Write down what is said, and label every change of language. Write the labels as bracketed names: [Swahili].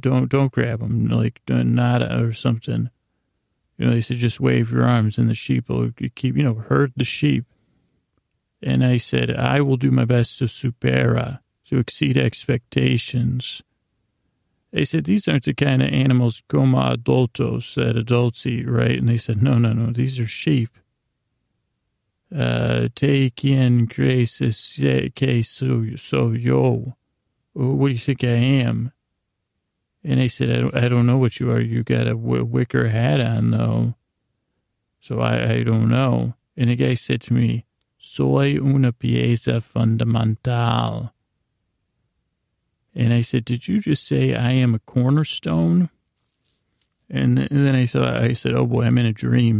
[English] Don't grab them, like nada or something. You know," they said, "just wave your arms and the sheep will keep, you know, herd the sheep." And I said, "I will do my best to supera, to exceed expectations." They said, "These aren't the kind of animals [Spanish] como adultos, [English] that adults eat, right?" And they said, no, these are sheep. [Spanish] Te quien crees que soy yo? [English] What do you think I am? And I said, I don't know what you are. You got a wicker hat on, though. So I don't know. And the guy said to me, [Spanish] "Soy una pieza fundamental." [English] And I said, "Did you just say I am a cornerstone?" And then I said, "Oh boy, I'm in a dream.